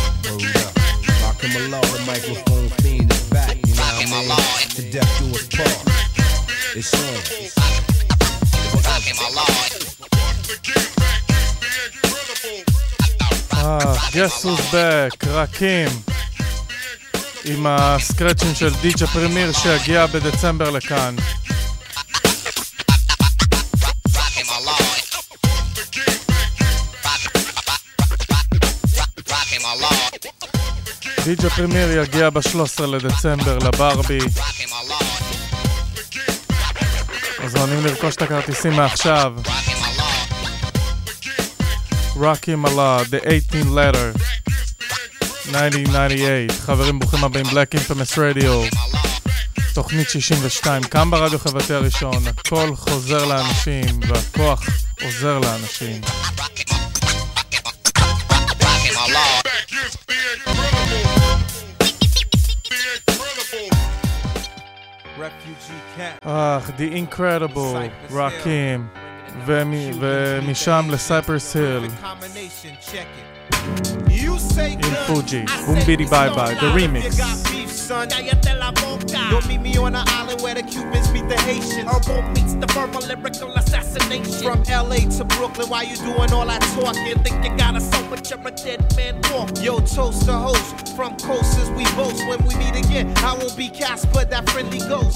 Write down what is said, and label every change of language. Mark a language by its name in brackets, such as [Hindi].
[English] Rockin' my law, the microphone fiend is back, you know what I mean? The death to us part, it's on. Rockin' my law. Guess who's back, רקים. [Hebrew] עם הסקרצ'ים של דיג'ה פרימיר שהגיע בדצמבר לכאן. דיג'ה פרימיר יגיע ב-13 לדצמבר לברבי. מוזמנים לרכוש את הכרטיסים מעכשיו. [English] Rakim Allah, the 18th letter, 1998. [Hebrew] חברים, ברוכים הבאים, Black Infamous Radio. תוכנית 62, קם ברדיו חברתי הראשון, הכל חוזר לאנשים, והכוח עוזר לאנשים. אך, [English] the incredible, [Hebrew] Rakim. ומשם לסייפרס היל עם פוג'י, בום בידי ביי ביי, the remix. [Spanish] Cállate la boca, no [English] meet me on an island where the Cubans beat the Haitians. Herbal meets the verbal lyrical assassination. From LA to Brooklyn, why you doing all that talking? Think you got a soul, but you're a dead man walk. Yo, toast to host, from coast as we boast. When we meet again, I won't be cast, but that friendly ghost.